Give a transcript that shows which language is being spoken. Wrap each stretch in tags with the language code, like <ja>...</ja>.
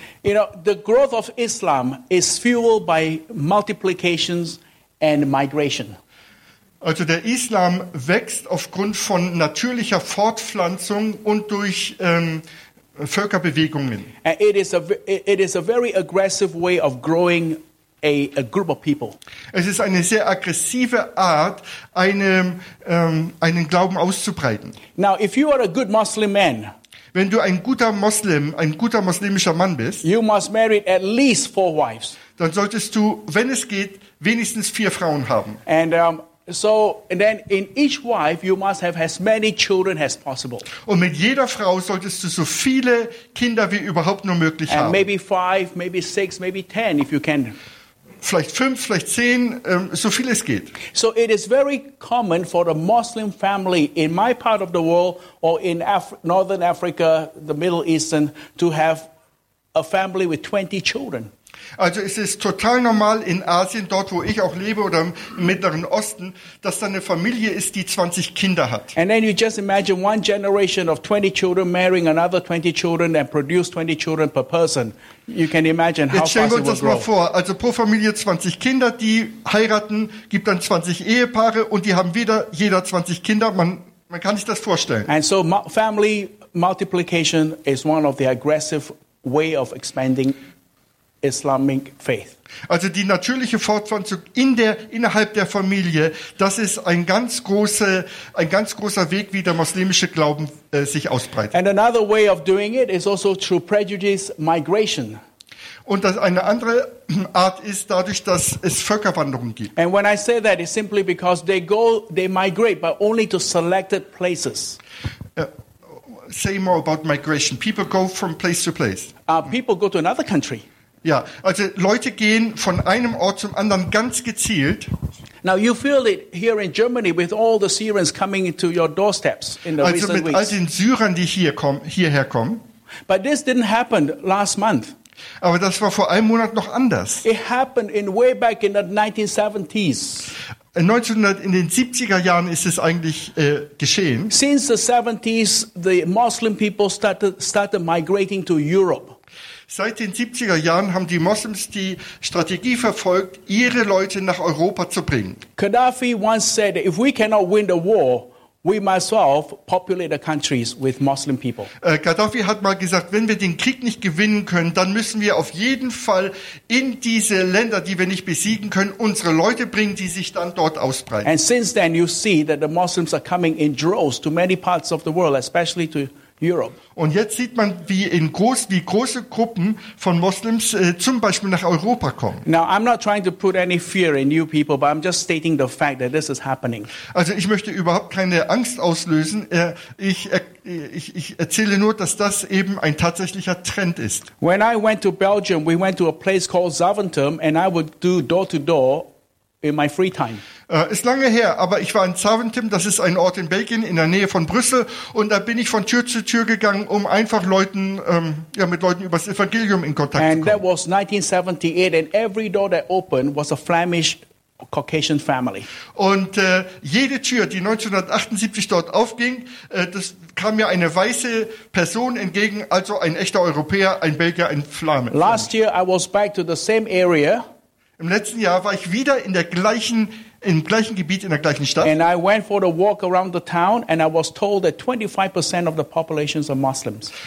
<en>You know, the growth of Islam is fueled by multiplications and migration.</en> <de>Also der Islam wächst aufgrund von natürlicher Fortpflanzung und durch Völkerbewegungen.</de> <en>It is a very aggressive way of growing a group of people.</en> <de>Es ist eine sehr aggressive Art, einen Glauben auszubreiten.</de> <en>Now, if you are a good Muslim man,</en> <de>wenn du ein guter muslimischer Mann bist,</de> <en>you must marry at least four wives.</en> <de>Dann solltest du, wenn es geht, wenigstens vier Frauen haben.</de> <en>And then in each wife you must have as many children as possible.</en> <de>Und mit jeder Frau solltest du so viele Kinder wie überhaupt nur möglich haben.</de> <en>And maybe five, maybe six, maybe ten if you can.</en> <de>Vielleicht fünf, vielleicht zehn, so viel es geht.</de> <en>So it is very common for a Muslim family in my part of the world or in Northern Africa, the Middle Eastern, to have a family with 20 children.</en> <de>Also es ist total normal in Asien, dort wo ich auch lebe oder im Mittleren Osten, dass da eine Familie ist, die 20 Kinder hat.</de> <en>And then you just imagine one generation of 20 children marrying another 20 children and produce 20 children per person. You can imagine how fast it will grow.</en> <de>Jetzt stellen wir uns das mal vor. Also pro Familie 20 Kinder, die heiraten, gibt dann 20 Ehepaare und die haben wieder jeder 20 Kinder. Man kann sich das vorstellen.</de> <en>And so family multiplication is one of the aggressive way of expanding Islamic faith.</en> <de>Also die natürliche Fortpflanzung innerhalb der Familie, das ist ein ganz großer Weg, wie der muslimische Glauben sich ausbreitet.</de> <en>And another way of doing it is also through prejudice migration.</en> <de>Und das eine andere Art ist dadurch, dass es Völkerwanderungen gibt.</de> <en>And when I say that, it's simply because they migrate, but only to selected places. Say more about migration. People go from place to place. People go to another country.</en> <de>Ja, also Leute gehen von einem Ort zum anderen ganz gezielt.</de> <en>Now you feel it here in Germany with all the Syrians coming into your doorsteps in the</en> <de>also</de> <en>recent weeks.</en> <de>Also mit all den Syrern, die hierher kommen.</de> <en>But this didn't happen last month.</en> <de>Aber das war vor einem Monat noch anders.</de> <en>It happened in way back in the 1970s.</en> <de>In den 70er Jahren ist es eigentlich geschehen.</de> <en>Since the 70s, the Muslim people started migrating to Europe.</en> <de>Seit den 70er Jahren haben die Moslems die Strategie verfolgt, ihre Leute nach Europa zu bringen.</de> <en>Gaddafi once said, if we cannot win the war, we must all populate the countries with Muslim people.</en> <de>Gaddafi hat mal gesagt, wenn wir den Krieg nicht gewinnen können, dann müssen wir auf jeden Fall in diese Länder, die wir nicht besiegen können, unsere Leute bringen, die sich dann dort ausbreiten.</de> <en>And since then you see that the Muslims are coming in droves to many parts of the world, especially to Europe.</en> <de>Und jetzt sieht man, wie große Gruppen von Moslems zum Beispiel nach Europa kommen.</de> <en>Now, I'm not trying to put any fear in you people, but I'm just stating the fact that this is happening.</en> <de>Also ich möchte überhaupt keine Angst auslösen. Ich erzähle nur, dass das eben ein tatsächlicher Trend ist.</de> <en>When I went to Belgium, we went to a place called Zaventem, and I would do door-to-door in my free time.</en> <de>Ist lange her, aber ich war in Zaventem, das ist ein Ort in Belgien, in der Nähe von Brüssel, und da bin ich von Tür zu Tür gegangen, um einfach mit Leuten über das Evangelium in Kontakt zu kommen.</de> <en>And that was 1978, and every door that opened was a Flemish Caucasian family.</en> <de>Und jede Tür, die 1978 dort aufging, das kam mir eine weiße Person entgegen, also ein echter Europäer, ein Belgier, ein Flame.</de> <en>Last year I was back to the same area.</en> <de>Im letzten Jahr war ich wieder in der gleichen im gleichen Gebiet, in der gleichen Stadt.</de> <en>And I went for a walk around the town and I was told that 25% of the populations are Muslims.</en>